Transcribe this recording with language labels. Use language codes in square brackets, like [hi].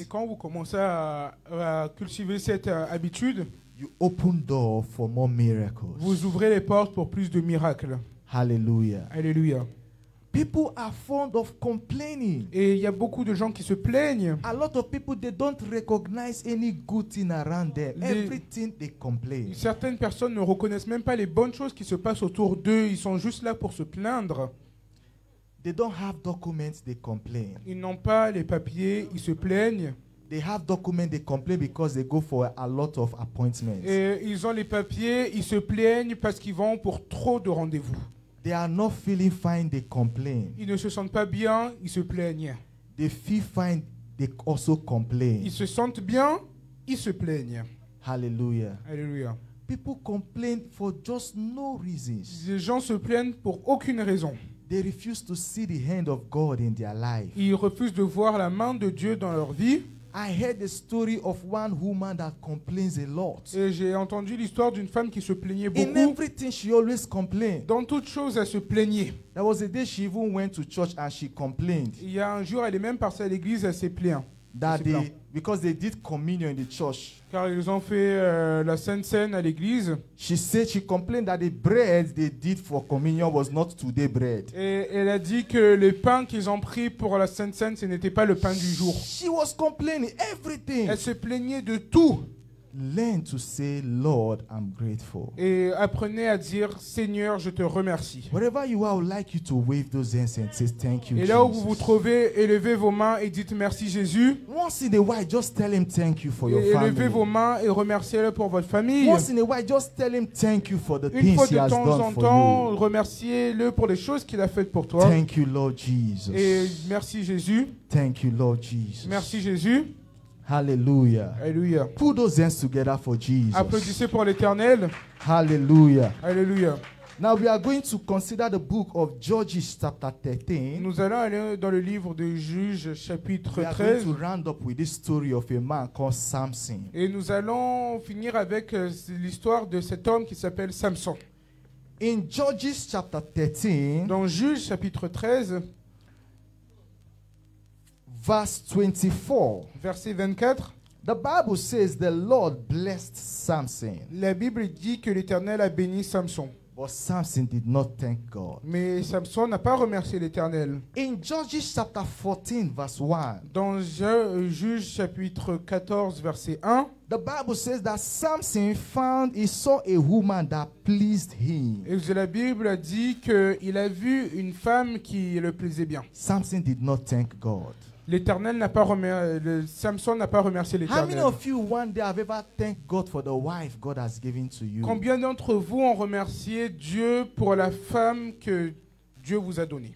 [fr] Et quand vous commencez à cultiver cette habitude. [en] You open door for more miracles. [fr] Vous ouvrez les portes pour plus de miracles. [en] Hallelujah. [fr] Hallelujah. [en] People are fond of complaining. [fr] Et il y a beaucoup de gens qui se plaignent. [en] A lot of people they don't recognize any good thing around them. Everything they complain. [fr] Certaines personnes ne reconnaissent même pas les bonnes choses qui se passent autour d'eux. Ils sont juste là pour se plaindre. [en] They don't have documents. They complain. [fr] Ils n'ont pas les papiers. Ils se plaignent. [en] They have documents, they complain because they go for a lot of appointments. [fr] Et ils ont les papiers, ils se plaignent parce qu'ils vont pour trop de rendez-vous. [en] They are not feeling fine, they complain. [fr] Ils ne se sentent pas bien, ils se plaignent. [en] They feel fine, they also complain. [fr] Ils se sentent bien, ils se plaignent. [en] Hallelujah. [fr] Hallelujah. [en] People complain for just no reasons. [fr] Les gens se plaignent pour aucune raison. [en] They refuse to see the hand of God in their life. [fr] Ils refusent de voir la main de Dieu dans leur vie. [en] I heard the story of one woman that complains a lot. [fr] Et j'ai entendu l'histoire d'une femme qui se plaignait beaucoup. [en] In everything she always complained. [fr] Dans toute chose elle se plaignait. [en] There was a day she even went to church and she complained. [fr] Il y a un jour elle est même passée à l'église elle s'est plaint. [en] That day because they did communion in the church. [fr] Car ils ont fait la Sainte Cène à l'église. [en] She said she complained that the bread they did for communion was not today bread. [fr] Et elle a dit que le pain qu'ils ont pris pour la Sainte Cène ce n'était pas le pain du jour. [en] She was complaining everything. [fr] Elle se plaignait de tout. [en] Learn to say, Lord, I'm grateful. [fr] Et apprenez à dire, Seigneur, je te remercie. [en] Wherever you are, I would like you to wave those hands and say, thank you, Jesus. [fr] Et là où vous vous trouvez, élevez vos mains et dites merci, Jésus. [en] Once in a while, just tell him thank you for your family. [fr] Élevez vos mains et remerciez-le pour votre famille. [en] Once in a while, just tell him thank you for the things he has done for you. [fr] Une fois de temps en temps, remerciez-le pour les choses qu'il a faites pour toi. [en] Thank you, Lord Jesus. [fr] Et merci, Jésus. [en] Thank you, Lord Jesus. [fr] Merci, Jésus. [en] Hallelujah. [fr] Hallelujah. [en] Put those hands together for Jesus. [fr] Applaudissez pour l'Éternel. [en] Hallelujah. [fr] Hallelujah. [en] Now we are going to consider the book of Judges chapter 13. [fr] Nous allons aller dans le livre de Juges chapitre 13. [en] We are going to round up with this story of a man called Samson. [fr] Et nous allons finir avec l'histoire de cet homme qui s'appelle Samson. [en] In Judges chapter 13. [fr] Dans Juges chapitre 13. [en] Verse 24. [fr] Verset 24. [en] The Bible says the Lord blessed Samson. [fr] La Bible dit que l'Éternel a béni Samson. [en] But Samson did not thank God. [fr] Mais Samson n'a pas remercié l'Éternel. [en] In Judges chapter 14 verse 1. [fr] Dans Juges chapitre 14 verset 1. [en] The Bible says that Samson found he saw a woman that pleased him. [fr] Et la Bible dit que il a vu une femme qui le plaisait bien. [en] Samson did not thank God. [fr] L'Éternel n'a pas Samson n'a pas remercié l'Éternel. [en] How many of you one day have ever thanked God for the wife God has given to you? [fr] Combien d'entre vous ont remercié Dieu pour la femme que Dieu vous a donnée?